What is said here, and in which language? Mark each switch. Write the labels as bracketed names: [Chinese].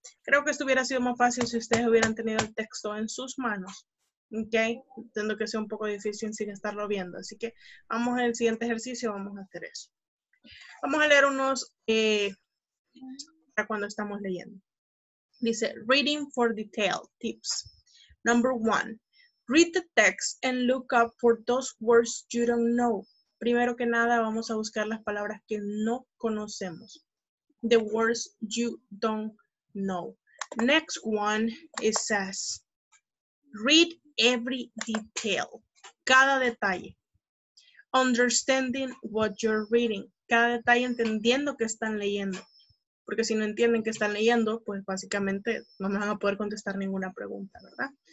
[Spanish] Creo que esto hubiera sido más fácil si ustedes hubieran tenido el texto en sus manos. ¿Ok? Entiendo que sea un poco difícil sin estarlo viendo. Así que vamos en el siguiente ejercicio, vamos a hacer eso. Vamos a leer unos para cuando estamos leyendo. [English] Dice, reading for detail tips. Number one, read the text and look up for those words you don't know. [Spanish] Primero que nada, vamos a buscar las palabras que no conocemos. [English] The words you don't know. [Spanish] No. [English] Next one, it says, read every detail, [Spanish] cada detalle, [English] understanding what you're reading, [Spanish] cada detalle entendiendo que están leyendo, porque si no entienden que están leyendo, pues básicamente no me van a poder contestar ninguna pregunta, ¿verdad?